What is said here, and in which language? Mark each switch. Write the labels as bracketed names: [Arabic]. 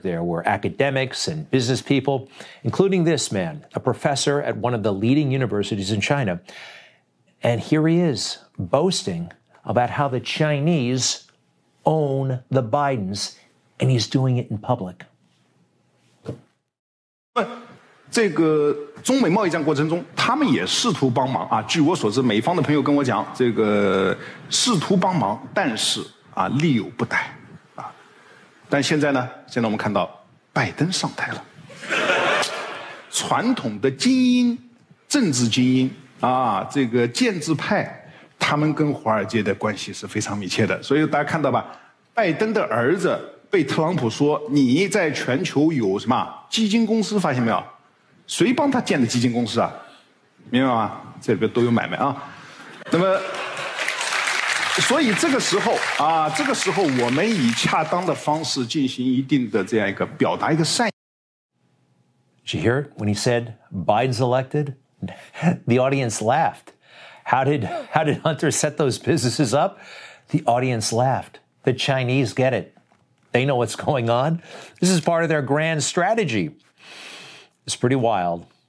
[English] There were academics and business people, including this man, a professor at one of the leading universities in China. And here he is boasting about how the Chinese own the Bidens, and he's doing it in public. [Chinese] But 中美贸易战过程中，他们也试图帮忙啊。据我所知，美方的朋友跟我讲，这个试图帮忙，但是啊，力有不逮啊。但现在呢，现在我们看到拜登上台了，传统的精英、政治精英啊，这个建制派，他们跟华尔街的关系是非常密切的。所以大家看到吧，拜登的儿子被特朗普说，你在全球有什么基金公司，发现没有？谁帮他建的基金公司啊？明白吗？这边都有买卖啊。那么，所以这个时候啊，这个时候我们以恰当的方式进行一定的这样一个表达一个善意。 [English] Did you hear it? When he said Biden's elected, the audience laughed. How did Hunter set those businesses up? The audience laughed. The Chinese get it. They know what's going on. This is part of their grand strategy. It's pretty wild.